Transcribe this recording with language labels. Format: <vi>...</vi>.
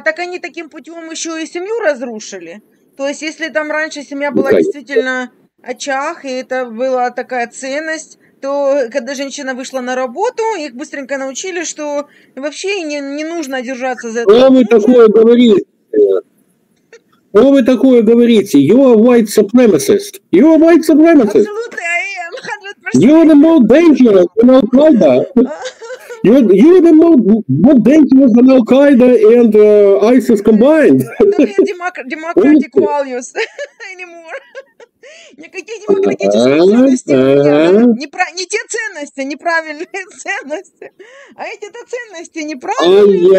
<ru>Так они таким путем еще и семью разрушили. То есть, если там раньше семья была действительно очаг, и это была такая ценность, то когда женщина вышла на работу, их быстренько научили, что вообще не нужно держаться за это. Что вы такое говорите? Что вы такое говорите?</ru> <en>You are white supremacist. You are white supremacist. You are the most dangerous than Al-Qaeda. You are the most dangerous than Al-Qaeda and ISIS combined. Don't have democratic values anymore.</en> <ru>Никаких демократических ценностей нет. Не те ценности, неправильные ценности. А эти-то ценности неправильные.</ru>